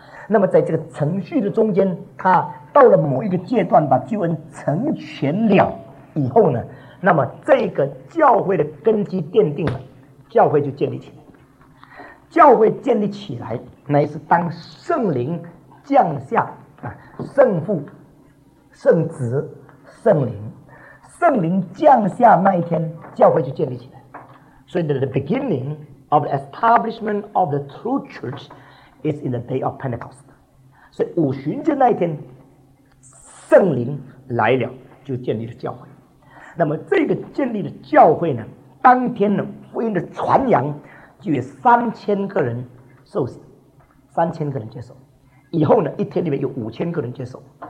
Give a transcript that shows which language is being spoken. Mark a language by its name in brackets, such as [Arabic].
[Chinese] 那么在这个程序的中间，他到了某一个阶段把救恩成全了以后呢，那么这个教会的根基奠定了，教会就建立起来。教会建立起来乃是当圣灵降下啊，圣父、圣子、圣灵，圣灵降下那一天，教会就建立起来。所以 [English] the beginning of the establishment of the true church is in the day of Pentecost。 [Chinese] 所以五旬节那一天圣灵来了，就建立了教会。那么这个建立的教会呢，当天的福音的传扬就有3000个人受洗，3000个人接受，以后呢一天里面有5000个人接受。